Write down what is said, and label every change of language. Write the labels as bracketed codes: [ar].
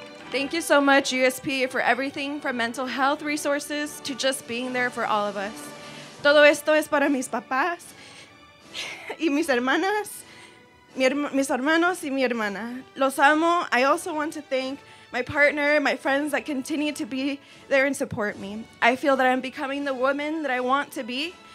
[en] Thank you so much, USP, for everything from mental health resources to just being there for all of us. [es] Todo esto es para mis papás y mis hermanas, mis hermanos y mi hermana. Los amo. [en] I also want to thank my partner, my friends that continue to be there and support me. I feel that I'm becoming the woman that I want to be.